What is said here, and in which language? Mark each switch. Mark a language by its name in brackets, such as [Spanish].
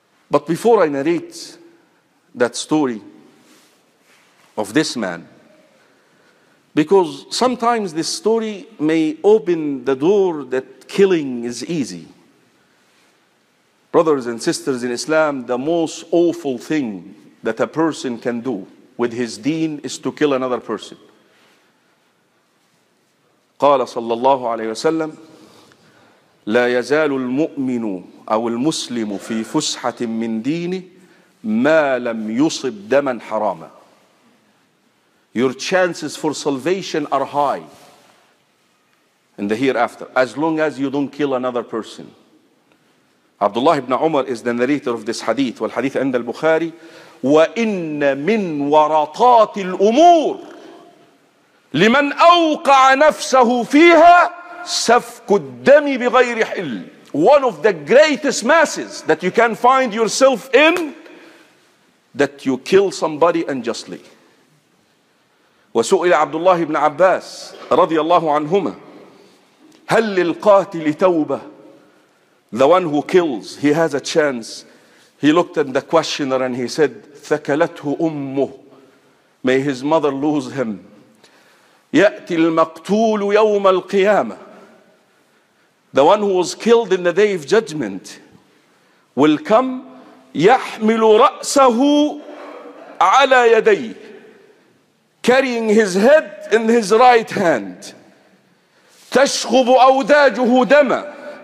[English] But before I narrate that story of this man, because sometimes this story may open the door that killing is easy. Brothers and sisters in Islam, the most awful thing that a person can do with his deen is to kill another person. [Arabic] قال صلى الله عليه وسلم لا يزال المؤمن أو المسلم في فسحة من دينه ما لم يصب دما حراما. [English] Your chances for salvation are high in the hereafter as long as you don't kill another person. Abdullah ibn Umar is the narrator of this hadith. [Arabic] والحديث عند البخاري وإن من ورطات الأمور لمن أوقع نفسه فيها سفك الدم بغير حل. [English] One of the greatest masses that you can find yourself in, that you kill somebody unjustly. [Arabic] وسئل عبد الله بن عباس رضي الله عنهما هل للقاتل توبة. [English] The one who kills, he has a chance. He looked at the questioner and he said [Arabic] ثكلته أمه. [English] May his mother lose him. [Arabic] يأتي المقتول يوم القيامة. [English] The one who was killed in the day of judgment will come [Arabic] يحمل رأسه على يديه, [English] carrying his head in his right hand. [Arabic] تشخب أوداجه دما.